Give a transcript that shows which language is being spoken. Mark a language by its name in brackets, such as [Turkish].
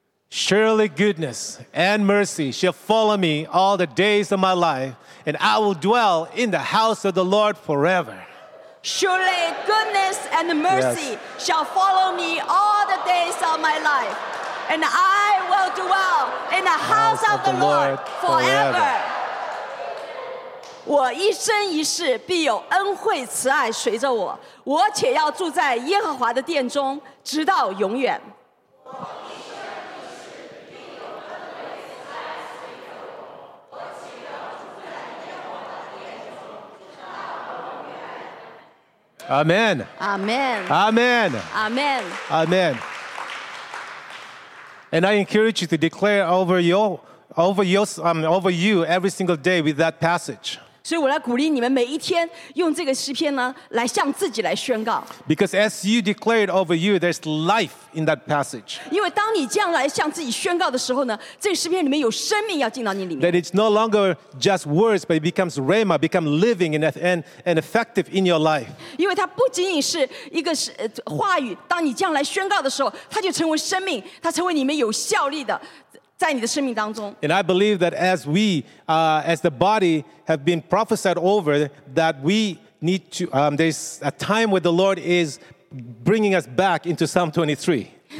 [English] surely goodness and mercy shall follow me all the days of my life, and I will dwell in the house of the Lord forever. Surely goodness and mercy, yes, shall follow me all the days of my life, and I will dwell in the house of the Lord forever. [Chinese] 我一生一世必有恩惠慈爱随着我，我且要住在耶和华的殿中，直到永远。 [English] Amen. Amen. Amen. Amen. Amen. And I encourage you to declare over you every single day with that passage. [Chinese] 所以我来鼓励你们每一天用这个诗篇呢，来向自己来宣告。 [English] Because as you declare it over you, there's life in that passage. [Chinese] 因为当你这样来向自己宣告的时候呢，这个诗篇里面有生命要进到你里面。 [English] That it's no longer just words, but it becomes rhema, become living and effective in your life. [Chinese] 因为它不仅仅是一个话语，当你这样来宣告的时候，它就成为生命，它成为你们有效力的。 [English] And I believe that as we, as the body, have been prophesied over, that we need to, there's a time where the Lord is bringing us back into Psalm 23.